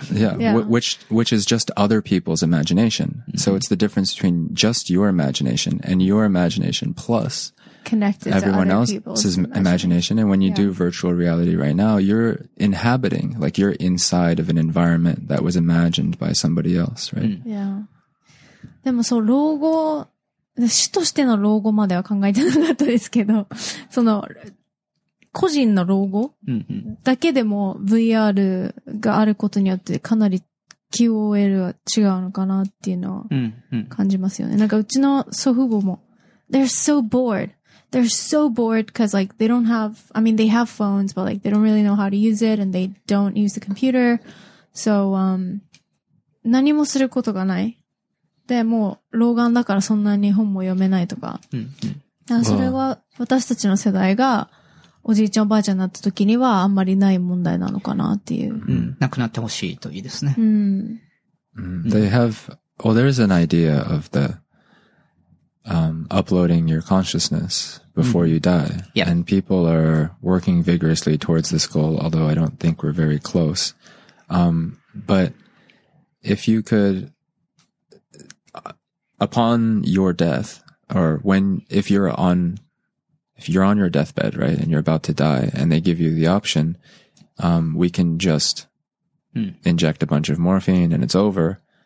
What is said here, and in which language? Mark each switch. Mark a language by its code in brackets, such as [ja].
[en] Yeah, which is just other people's imagination.、Mm-hmm. So it's the difference between just your imagination and your imagination plus... Connected everyone to other else's people's imagination. Imagination. And when you do virtual reality right now, you're inhabiting, like you're inside of an environment that was imagined by somebody else, right? Yeah. [ja] でもそう、老後、死としての老後までは考えてなかったですけど、その、個人の老後だけでも VR があることによってかなり QOL は違うのかなっていうのは感じますよね。なんかうちの祖父母も、 [en] They're so bored. They're so bored because like they don't have, I mean, they have phones, but like they don't really know how to use it and they don't use the computer. [ja] So, 何もすることがない。でも、老眼だからそんなに本も読めないとか。うん、それは私たちの世代がおじいちゃんおばあちゃんになった時にはあんまりない問題なのかなっていう。うん、なくなってほしいといいですね。うん、 [en] they have, well, there is an idea of the,uploading your consciousness before you die. Yeah. And people are working vigorously towards this goal, although I don't think we're very close. But if you could, upon your death, or if you're on your deathbed, right, and you're about to die, and they give you the option, we can just inject a bunch of morphine and it's over.